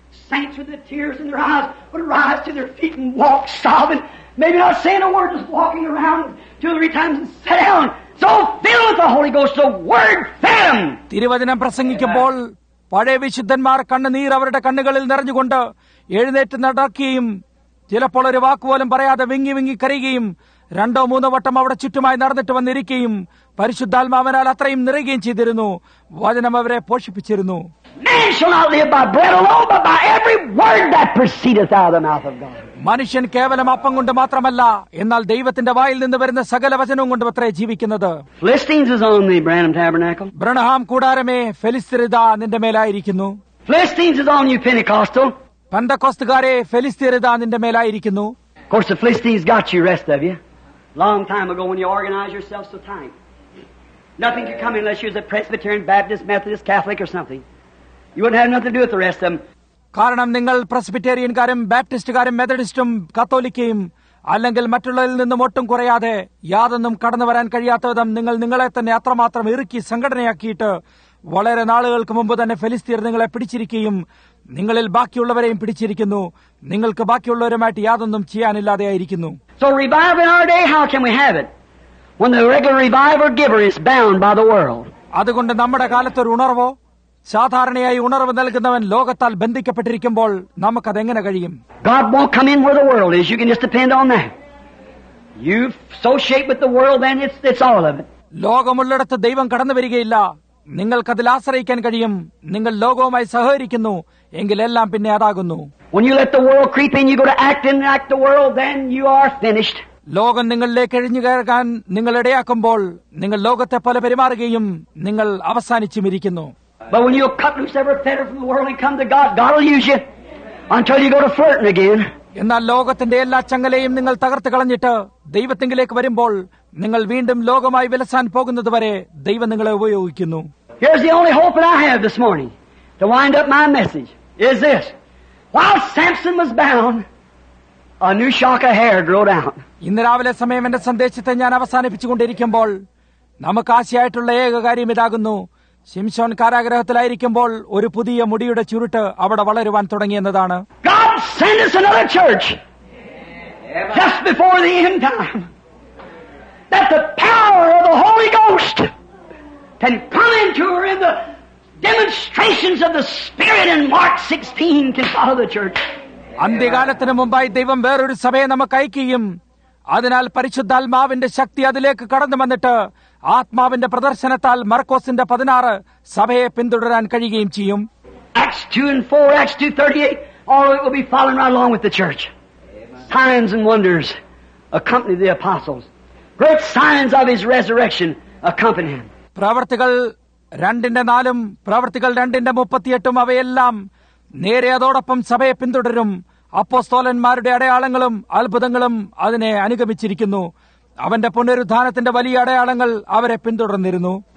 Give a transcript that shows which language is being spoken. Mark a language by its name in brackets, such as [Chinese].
[English] Saints with the tears in their eyes would rise to their feet and walk sobbing, maybe not saying a word, just walking around two or three times and sit down. So filled with the Holy Ghost, the word fell. [Malayalam] തിരുവചനം പ്രസംഗിക്കുമ്പോൾ പഴയ വിശുദ്ധന്മാർ കണ്ണുനീർ അവരുടെ കണ്ണുകളിൽ നിറഞ്ഞുകൊണ്ട് എഴുന്നേറ്റ് നടക്കുകയും ചിലപ്പോൾ ഒരു വാക്കുപോലും പറയാതെ വിങ്ങി വിങ്ങി കരയുകയും രണ്ടോ മൂന്നോ വട്ടം അവിടെ ചുറ്റുമായി നടന്നിട്ട് വന്നിരിക്കുകയും പരിശുദ്ധാത്മാവിനാൽ അത്രയും നിറയുകയും ചെയ്തിരുന്നു. വചനം അവരെ പോഷിപ്പിച്ചിരുന്നു. [English] Man shall not live by bread alone, but by every word that proceedeth out of the mouth of God. [Malayalam] മനുഷ്യൻ കേവലം അപ്പം കൊണ്ട് മാത്രമല്ല, എന്നാൽ ദൈവത്തിന്റെ വായിൽ നിന്ന് വരുന്ന സകല വചനവും കൊണ്ടും അത്രേ ജീവിക്കുന്നത്. [English] Philistines is on thee, Branham Tabernacle. [Malayalam] Branham കൂടാരമേ, ഫെലിസ്തീരിതാ നിന്റെ മേലായിരിക്കുന്നു. [English] Philistines is on you, Pentecostal. [Malayalam] പെന്തക്കോസ്തുകാരെ, ഫെലിസ്തീരിതാ നിന്റെ മേലായിരിക്കുന്നു. [English] Of course, the Philistines got you, rest of you. Long time ago when you organized yourself so tight. Nothing could come unless you was a Presbyterian, Baptist, Methodist, Catholic or something. You wouldn't have nothing to do with the rest of them. [Malayalam] കാരണം നിങ്ങൾ പ്രസ്ബിറ്റേറിയൻകാരും ബാപ്റ്റിസ്റ്റുകാരും മെത്തഡിസ്റ്റും കത്തോലിക്കയും അല്ലെങ്കിൽ മറ്റുള്ളവരിൽ നിന്നും ഒട്ടും കുറയാതെ യാതൊന്നും കടന്നു വരാൻ കഴിയാത്ത വിധം നിങ്ങൾ നിങ്ങളെ തന്നെ അത്രമാത്രം ഇറുക്കി സംഘടനയാക്കിയിട്ട് വളരെ നാളുകൾക്ക് മുമ്പ് തന്നെ ഫെലിസ്തീർ നിങ്ങളെ പിടിച്ചിരിക്കുകയും നിങ്ങളിൽ ബാക്കിയുള്ളവരെയും പിടിച്ചിരിക്കുന്നു. നിങ്ങൾക്ക് ബാക്കിയുള്ളവരുമായിട്ട് യാതൊന്നും ചെയ്യാനില്ലാതെയായിരിക്കുന്നു. [English] So revival in our day, how can we have it when the regular revival giver is bound by the world? [Malayalam] അതുകൊണ്ട് നമ്മുടെ കാലത്തൊരു ഉണർവോ സാധാരണയായി ഉണർവ് നൽകുന്നവൻ ലോകത്താൽ ബന്ധിക്കപ്പെട്ടിരിക്കുമ്പോൾ നമുക്കത് എങ്ങനെ കഴിയും? [English] God won't come in where the world is. You can just depend on that. You associate with the world, then it's all of it. [Malayalam] ലോകമുള്ളിടത്ത് ദൈവം കടന്നു വരികയില്ല. നിങ്ങൾക്കതിൽ ആശ്രയിക്കാൻ കഴിയും. നിങ്ങൾ ലോകവുമായി സഹകരിക്കുന്നു എങ്കിലെല്ലാം പിന്നെ അതാകുന്നു. [English] When you let the world creep in, you go to act and act the world, then you are finished. [Malayalam] ലോകം നിങ്ങളിലേക്ക് എഴിഞ്ഞു കയറാൻ നിങ്ങൾ ഇടയാക്കുമ്പോൾ നിങ്ങൾ ലോകത്തെ പോലെ പെരുമാറുകയും നിങ്ങൾ അവസാനിച്ചും ഇരിക്കുന്നു. [English] But when you cut loose every fetter from the world and come to God, God will use you until you go to flirting again. [Malayalam] എന്നാൽ ലോകത്തിന്റെ എല്ലാ ചങ്ങലയും നിങ്ങൾ തകർത്ത് കളഞ്ഞിട്ട് ദൈവത്തിങ്കിലേക്ക് വരുമ്പോൾ നിങ്ങൾ വീണ്ടും ലോകമായി വിലസാൻ പോകുന്നതുവരെ ദൈവം നിങ്ങളെ ഉപയോഗിക്കുന്നു. [English] Here's the only hope that I have this morning to wind up my message is this. While Samson was bound, a new shock of hair growed out. [Malayalam] ഇന്ന് രാവിലെ സമയം എന്റെ സന്ദേശത്തെ ഞാൻ അവസാനിപ്പിച്ചുകൊണ്ടിരിക്കുമ്പോൾ നമുക്ക് ആശയായിട്ടുള്ള ഏക കാര്യം ഇതാകുന്നു. ശിംശോൻ കാരാഗ്രഹത്തിലായിരിക്കുമ്പോൾ ഒരു പുതിയ മുടിയുടെ ചുരുട്ട് അവിടെ വളരുവാൻ തുടങ്ങിയെന്നതാണ്. [English] God send us another church just before the end time that the power of the Holy Ghost can come into her in the demonstrations of the Spirit in Mark 16 can follow the church. [Malayalam] അന്ത്യകാലത്തിന് മുമ്പായി ദൈവം വേറൊരു സഭയെ നമുക്ക് അയക്കുകയും അതിനാൽ പരിശുദ്ധാത്മാവിന്റെ ശക്തി അതിലേക്ക് കടന്നു വന്നിട്ട് ആത്മാവിന്റെ പ്രദർശനത്താൽ മർക്കോസിന്റെ 16 സഭയെ പിന്തുടരാൻ കഴിയുകയും ചെയ്യും. [English] Acts 2 and 4, Acts 2:38, all it will be following right along with the church. Signs and wonders accompany the apostles. Great signs of his resurrection accompany him. [Malayalam] പ്രവൃത്തികൾ 2:4, പ്രവൃത്തികൾ 2:38 അവയെല്ലാം നേരെ അതോടൊപ്പം സഭയെ പിന്തുടരും. അപ്പോസ്തോലന്മാരുടെ അടയാളങ്ങളും അത്ഭുതങ്ങളും അതിനെ അനുഗമിച്ചിരിക്കുന്നു. അവന്റെ പുനരുദ്ധാനത്തിന്റെ വലിയ അടയാളങ്ങൾ അവരെ പിന്തുടർന്നിരുന്നു.